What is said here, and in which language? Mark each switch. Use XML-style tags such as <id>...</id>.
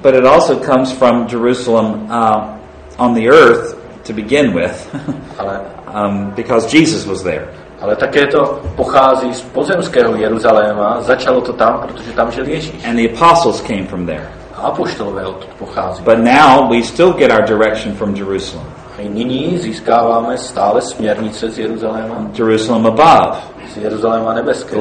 <en>But it also comes from Jerusalem on the earth to begin with.</en> <cs>Ale</cs> <en>because Jesus was there.</en> <cs>Ale také to pochází z pozemského Jeruzaléma, začalo to tam, protože tam žil Ježíš.</cs> <en>And the apostles came from there.</en> <cs>A apoštolové odtud pochází.</cs> <en>But now we still get our direction from Jerusalem.</en> <cs>A nyní získáváme stále směrnice z Jeruzaléma.</cs> <en>Jerusalem above.</en> <cs>Z Jeruzaléma nebeského.</cs>